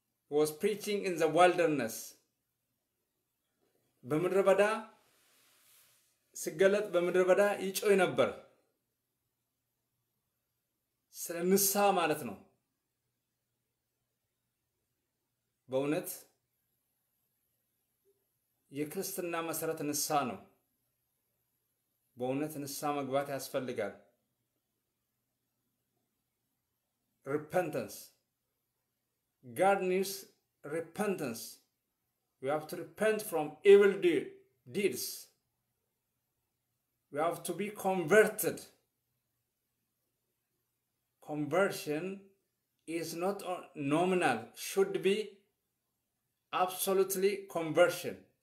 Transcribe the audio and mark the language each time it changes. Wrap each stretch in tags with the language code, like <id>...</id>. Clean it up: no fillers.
<en>He was preaching in the wilderness.</en> <am>በምድረ በዳ ሲገለጥ በምድረ በዳ ይጮህ ነበር። ስለ ንስሐ ማለት ነው። በእውነት የክርስትና መሰረት ንስሐ ነው። በእውነት ንስሐ መግባት ያስፈልጋል። ሪፐንተንስ</am> <en>God needs repentance. We have to repent from evil deeds. We have to be converted. Conversion is not nominal, should be absolutely conversion.</en>